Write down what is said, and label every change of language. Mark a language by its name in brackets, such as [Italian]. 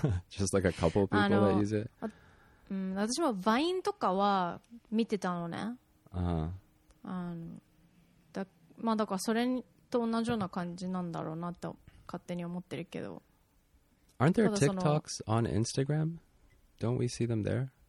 [English] Just like a couple of people that use it? [Japanese] うん、私もバインとかは見てたのね、 uh-huh. まあ、だからそれと同じような感じなんだろうなと勝手に思ってるけど。 [English] Aren't there TikToks on Instagram? Don't we see them there?